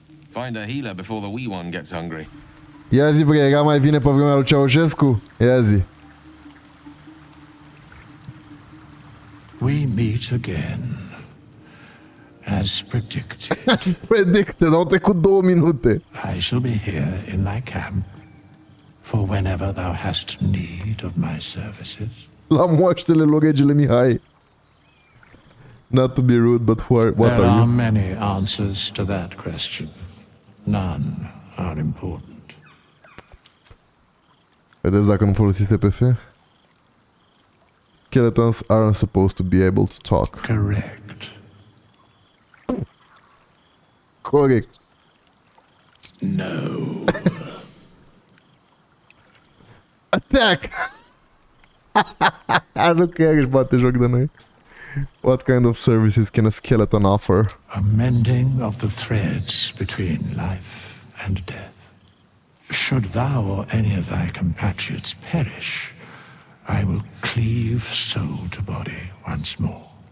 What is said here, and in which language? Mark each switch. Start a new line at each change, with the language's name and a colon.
English: Find a healer before the wee one gets hungry.
Romanian: Ia zi, bă, era mai bine pe vremea lui Ceaușescu. Ia zi.
English: We meet again. As predicted. As predicted,
Romanian: au trecut două minute.
English: I shall be here in thy camp for whenever thou hast need of my services.
Romanian: La moaștele lui regele Mihai.
English: Not to be rude, but what are you? There are many answers to that question. None are important.
Romanian: Vedeți dacă nu folosiți TPF?
English: Skeletons aren't supposed to be able to talk. Correct.
Romanian: Corect.
English: No. Attack.
Romanian: Nu cred că își bate joc de noi.
English: What kind of services can a skeleton offer? A mending of the threads between life and death. Should thou or any of thy compatriots perish, I will cleave soul to body once more.